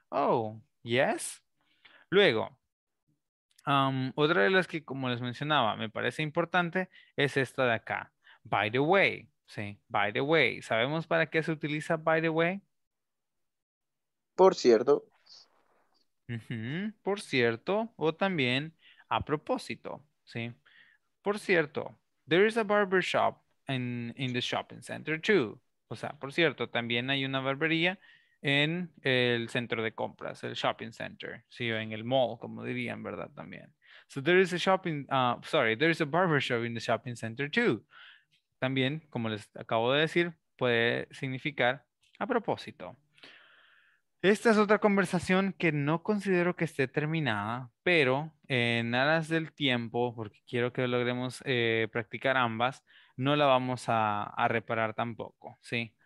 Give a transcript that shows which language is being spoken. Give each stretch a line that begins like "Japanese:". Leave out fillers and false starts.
English: Oh, yes.
Spanish: Luego, otra de las que, como les mencionaba, me parece importante es esta de acá.
English: By the way, ¿sí? By the way.
Spanish: ¿Sabemos para qué se utiliza
English: by the way?
Spanish: Por cierto. Uh-huh, por cierto, o también a propósito, ¿sí? Por cierto,
English: there is a barbershop in the shopping center too.
Spanish: O sea, por cierto, también hay una barbería en el centro de compras, el shopping center, sí, o en el mall, como dirían, ¿verdad? También.
English: So there is a shopping, there is a barbershop in the shopping center too.
Spanish: También, como les acabo de decir, puede significar a propósito. Esta es otra conversación que no considero que esté terminada, pero en aras del tiempo, porque quiero que logremos practicar ambas, no la vamos a reparar tampoco, ¿sí?